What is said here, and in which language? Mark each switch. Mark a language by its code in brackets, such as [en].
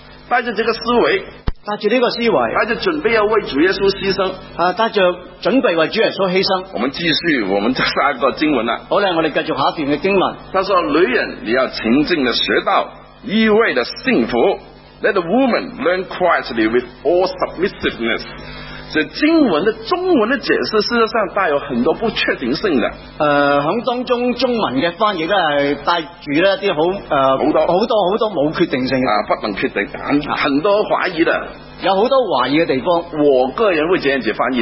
[zh] 带着这个思维，带着这个思维，带着准备要为主耶稣牺牲，带着准备为主耶稣牺牲。我们继续我们下一个经文了。好了，我们继续下一段的经文。他说：“女人，你要勤进的学道，意味的幸福。” [en] Let the woman learn quietly with all submissiveness。 [zh] 这经文的中文的解释事实上带有很多不确定性的。在当中中文的翻译是带住一些很多没确定性的。不能确定，很多怀疑的。有很多怀疑的地方。我个人会这样子翻译。